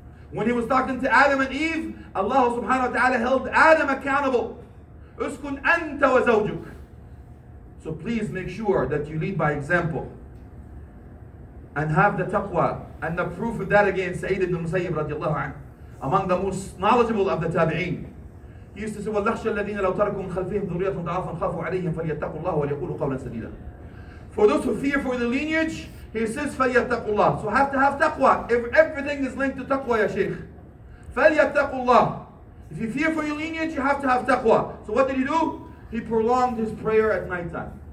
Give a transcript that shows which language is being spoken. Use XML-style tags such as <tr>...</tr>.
<en>When he was talking to Adam and Eve, Allah subhanahu wa ta'ala held Adam accountable.</en> <ar>اسْكُنْ أَنْتَ وَزَوْجُكَ.</ar> <en>So please make sure that you lead by example. And have the taqwa. And the proof of that again, Sayyid ibn Musayyib radiallahu anhu. Among the most knowledgeable of the tabi'een. He used to say,</en> <ar>وَالْلَخْشَ الَّذِينَ لَوْ تَرَكُمْ خَلْفِهِمْ ذُرِيَةٌ ضَعَافًا خَافُوا عَلَيْهِمْ فَلْيَتَّقُوا اللَّهُ وَلْيَقُولُوا قَوْلًا سَدِيدًا.</ar> <en>For those who fear for the lineage, he says,</en> <ar>فَلْيَتَّقُوا اللَّهُ.</ar> <en>So have to have taqwa. If everything is linked to taqwa, ya Shaykh.</en> <ar>فَلْيَتَّقُوا اللَّهُ.</ar> <en>If you fear for your lineage, you have to have taqwa. So what did he do? He prolonged his prayer at night time.</en>